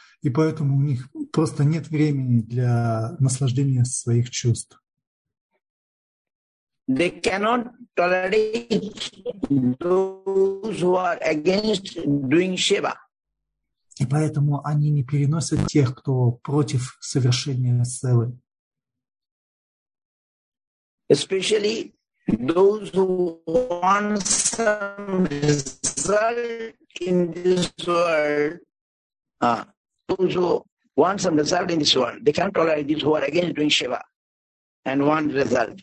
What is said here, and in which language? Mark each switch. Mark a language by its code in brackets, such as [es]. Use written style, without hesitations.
[ru] И поэтому у них просто нет времени для наслаждения своих чувств. [en] They cannot tolerate those who are against doing seva. [ru] И поэтому они не переносят тех, кто против совершения севы. [en] Especially those who want some result in this world, those who want some result in this world, they can't tolerate these who are against doing seva and want result.